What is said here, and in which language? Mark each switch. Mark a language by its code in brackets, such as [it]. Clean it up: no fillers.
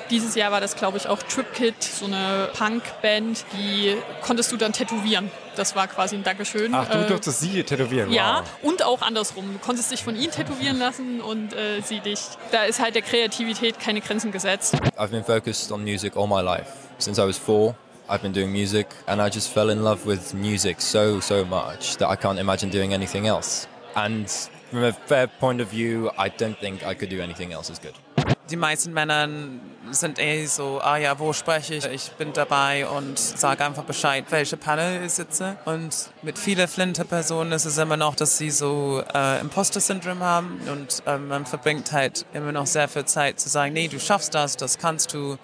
[de] Dieses Jahr war das, glaube ich, auch Trip Kid, so eine Punkband, die konntest du dann tätowieren. Das war quasi ein Dankeschön. Ach, du durftest sie tätowieren? Ja, wow. Und auch andersrum. Du konntest dich von ihnen tätowieren lassen und sie dich. Da ist halt der Kreativität keine Grenzen gesetzt. [en] I've been focused on music all my life, since I was four. I've been doing music and I just fell in love with music so, so much that I can't imagine doing anything else. And from a fair point of view, I don't think I could do anything else as good. [de] Die meisten Männer sind eh so, ah ja, wo spreche ich? Ich bin dabei und sage einfach Bescheid, welche Panel ich sitze. Und mit vielen Flinter-Personen ist es immer noch, dass sie so Imposter-Syndrom haben. Und man verbringt halt immer noch sehr viel Zeit zu sagen, nee, du schaffst das, das kannst du.